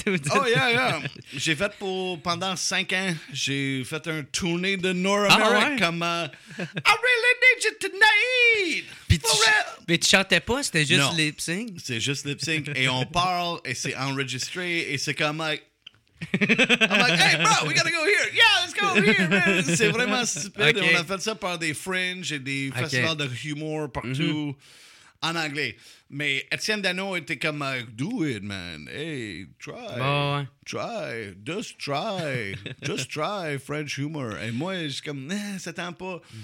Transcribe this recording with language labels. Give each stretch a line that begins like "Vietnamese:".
French: Oh, yeah, yeah. J'ai fait pendant 5 ans, j'ai fait un tournée de North America comme
English: I really need you tonight.
French: Mais tu chantais pas, c'était juste lip sync. C'est juste lip sync. Et on parle, et c'est enregistré, et c'est comme.
English: I'm like, hey, bro, we gotta go here. Yeah, let's go here, man.
French: C'est vraiment stupide.
English: Okay.
French: On a fait ça par des fringes et des festivals de humour partout en anglais. Mais Étienne Danault était comme,
English: like, do it, man. Hey, try. Try. Just try. Just try French humour.
French: Et moi, je suis comme,
English: nah,
French: ça tend pas.